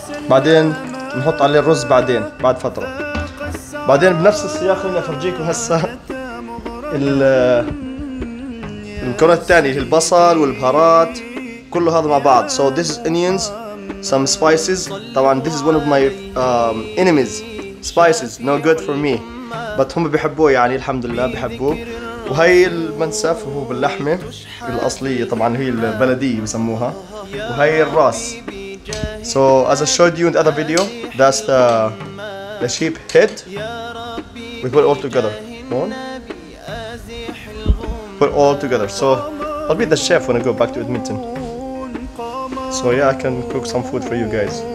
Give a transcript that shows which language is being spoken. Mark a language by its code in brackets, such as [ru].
[ar] بعدين نحط عليه الرز بعدين بعد فترة. بعدين بنفس السياق اللي أفرجيكم هسه المكونة الثانية، البصل والبهارات كله هذا مع بعض. [en] So this is onions, some spices. طبعا this is one of my enemies. Spices, no good for me. [ar] بس هم بيحبوه يعني الحمد لله بيحبوه. وهي المنسف هو باللحمة الأصلية طبعا هي البلدية بسموها. وهي الراس. [en] So as I showed you in the other video, that's the sheep head. We put it all together. Put it all together. So I'll be the chef when I go back to Edmonton. So yeah, I can cook some food for you guys.